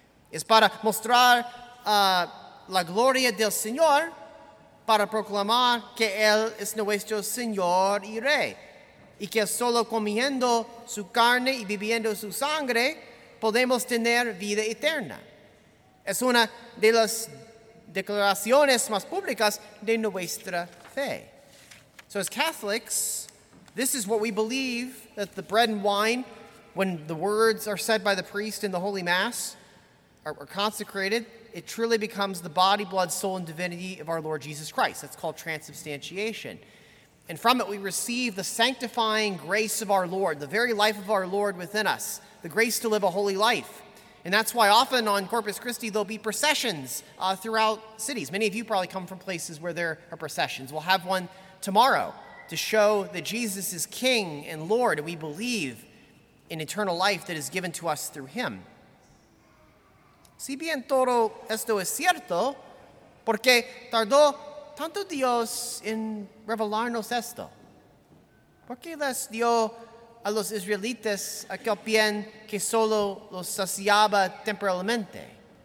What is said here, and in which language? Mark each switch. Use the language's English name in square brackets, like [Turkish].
[Spanish] Es para mostrar la gloria del Señor, para proclamar que Él es nuestro Señor y Rey, y que solo comiendo su carne y bebiendo su sangre podemos tener vida eterna. Es una de las declaraciones más públicas de nuestra fe. [English] So as Catholics, this is what we believe, that the bread and wine, when the words are said by the priest in the Holy Mass, are consecrated, it truly becomes the body, blood, soul, and divinity of our Lord Jesus Christ. That's called transubstantiation. And from it we receive the sanctifying grace of our Lord, the very life of our Lord within us, the grace to live a holy life. And that's why often on Corpus Christi there'll be processions throughout cities. Many of you probably come from places where there are processions. We'll have one tomorrow to show that Jesus is King and Lord, and we believe in eternal life that is given to us through him. [Spanish] Si bien todo esto es cierto, ¿por qué tardó tanto Dios en revelarnos esto? ¿Por qué les dio a los israelitas aquel bien que solo los saciaba temporalmente?